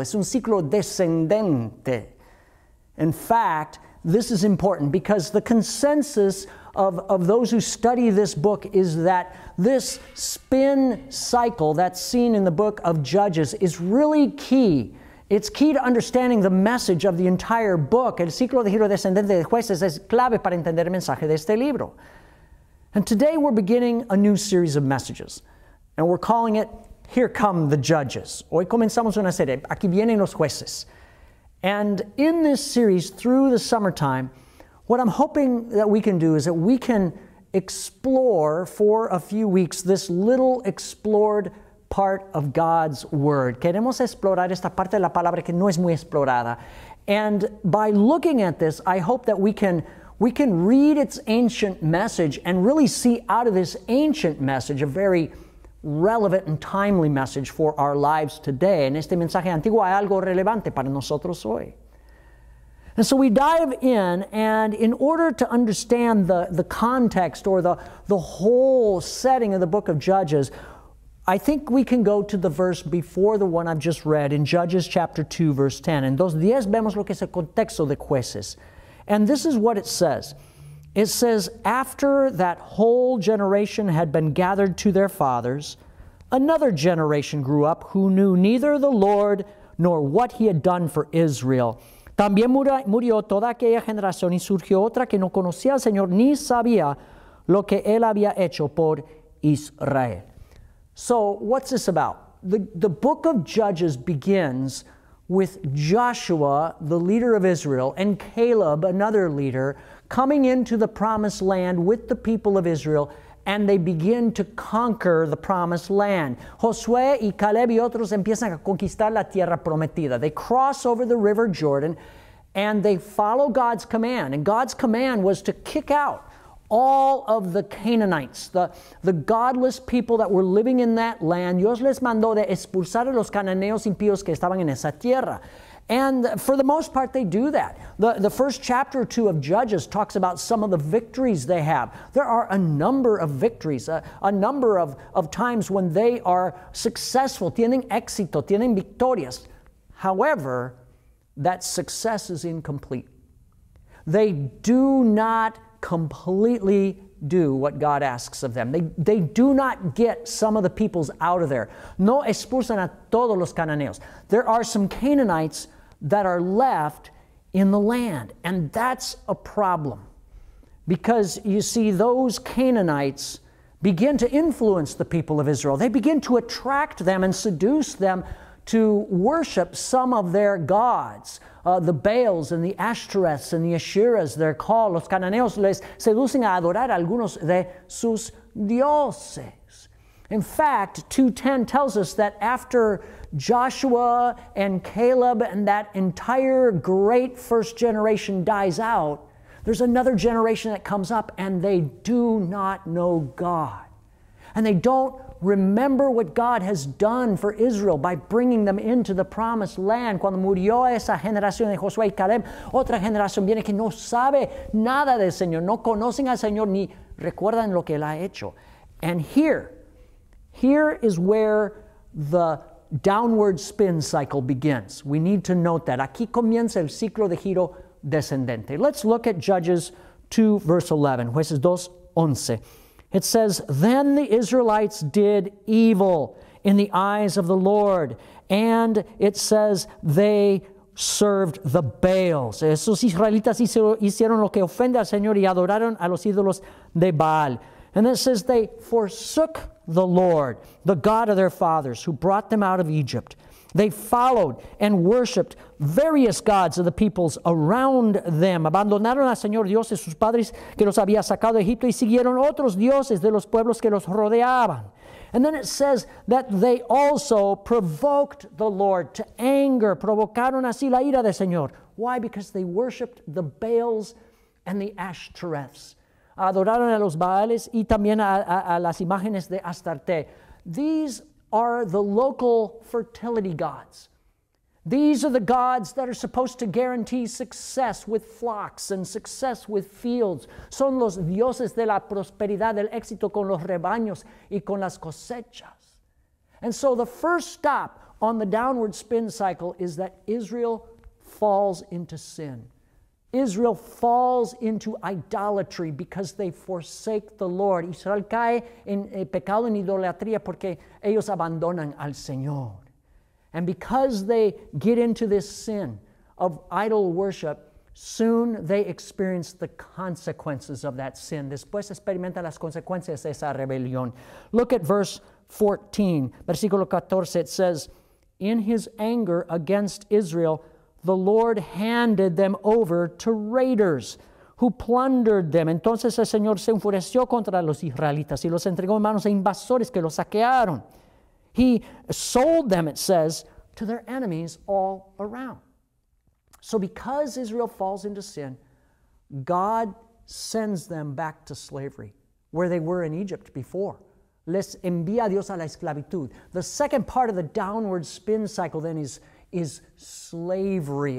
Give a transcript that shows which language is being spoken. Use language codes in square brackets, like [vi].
[es] Es un ciclo descendente. [en] In fact, this is important because the consensus of those who study this book is that this spin cycle that's seen in the book of Judges is really key. It's key to understanding the message of the entire book. [es] El ciclo de giro descendente de Jueces es clave para entender el mensaje de este libro. [en] And today we're beginning a new series of messages, and we're calling it Here Come the Judges. [es] Hoy comenzamos una serie, Aquí Vienen los Jueces. [en] And in this series, through the summertime, what I'm hoping that we can do is that we can explore for a few weeks this little explored part of God's Word. [es] Queremos explorar esta parte de la palabra que no es muy explorada. [en] And by looking at this, I hope that we can read its ancient message and really see out of this ancient message a very relevant and timely message for our lives today. [es] En este mensaje antiguo hay algo relevante para nosotros hoy. [en] And so we dive in order to understand the context or the whole setting of the book of Judges, I think we can go to the verse before the one I've just read in Judges chapter 2, verse 10. [es] En 2:10 vemos lo que es el contexto de Jueces. [en] And this is what it says. It says, after that whole generation had been gathered to their fathers, another generation grew up who knew neither the Lord nor what he had done for Israel. [es] También murió toda aquella generación y surgió otra que no conocía al Señor ni sabía lo que él había hecho por Israel. [en] So, what's this about? The book of Judges begins with Joshua, the leader of Israel, and Caleb, another leader, coming into the promised land with the people of Israel, and they begin to conquer the promised land. [es] Josué y Caleb y otros empiezan a conquistar la tierra prometida. [en] They cross over the river Jordan, and they follow God's command. And God's command was to kick out all of the Canaanites, the godless people that were living in that land. [es] Dios les mandó de expulsar a los cananeos impíos que estaban en esa tierra. [en] And for the most part, they do that. The first chapter or two of Judges talks about some of the victories they have. There are a number of victories, a number of times when they are successful. [es] Tienen éxito, tienen victorias. [en] However, that success is incomplete. They do not completely do what God asks of them. They do not get some of the peoples out of there. [es] No expulsan a todos los cananeos. [en] There are some Canaanites that are left in the land. And that's a problem. Because you see, those Canaanites begin to influence the people of Israel. They begin to attract them and seduce them to worship some of their gods, the Baals and the Ashtoreths and the Asherahs, they're called. [es] Los cananeos les seducen a adorar algunos de sus dioses. [en] In fact, 2:10 tells us that after Joshua and Caleb and that entire great first generation dies out, there's another generation that comes up and they do not know God. And they don't remember what God has done for Israel by bringing them into the promised land. [es] Cuando murió esa generación de Josué y Caleb, otra generación viene que no sabe nada del Señor, no conocen al Señor ni recuerdan lo que él ha hecho. [en] And here is where the downward spin cycle begins. We need to note that. [es] Aquí comienza el ciclo de giro descendente. [en] Let's look at Judges 2, verse 11. [es] Jueces 2, 11. [en] It says, then the Israelites did evil in the eyes of the Lord. And it says, they served the Baals. [es] Esos israelitas hicieron lo que ofende al Señor y adoraron a los ídolos de Baal. [en] And it says, they forsook the Lord, the God of their fathers, who brought them out of Egypt. They followed and worshipped various gods of the peoples around them. [es] Abandonaron al Señor Dios de sus padres que los había sacado de Egipto y siguieron otros dioses de los pueblos que los rodeaban. [en] And then it says that they also provoked the Lord to anger. [es] Provocaron así la ira del Señor. [en] Why? Because they worshipped the Baals and the Ashtoreths. [es] Adoraron a los Baales y también a las imágenes de Astarte. [en] These are the local fertility gods. These are the gods that are supposed to guarantee success with flocks and success with fields. [es] Son los dioses de la prosperidad, del éxito con los rebaños y con las cosechas. [en] And so the first stop on the downward spin cycle is that Israel falls into sin. Israel falls into idolatry because they forsake the Lord. [es] Israel cae en pecado en idolatría porque ellos abandonan al Señor. [en] And because they get into this sin of idol worship, soon they experience the consequences of that sin. [es] Después experimentan las consecuencias de esa rebelión. [en] Look at verse 14. Versículo 14, it says, in his anger against Israel, the Lord handed them over to raiders who plundered them. [es] Entonces el Señor se enfureció contra los israelitas y los entregó en manos de invasores que los saquearon. [en] He sold them, it says, to their enemies all around. So because Israel falls into sin, God sends them back to slavery, where they were in Egypt before. [es] Les envía Dios a la esclavitud. [en] The second part of the downward spin cycle then is slavery.